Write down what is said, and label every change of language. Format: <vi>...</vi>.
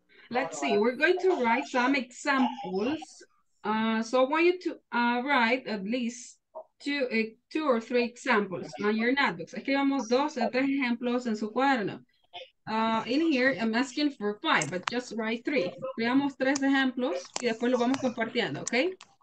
<en>Let's see, we're going to write some examples. So I want you to write at least two or three examples on your notebooks.</en> <es>Escribamos dos o tres ejemplos en su cuaderno.</es> <en>In here, I'm asking for five, but just write three.</en> <es>Escribamos tres ejemplos y después lo vamos compartiendo, okay?</es>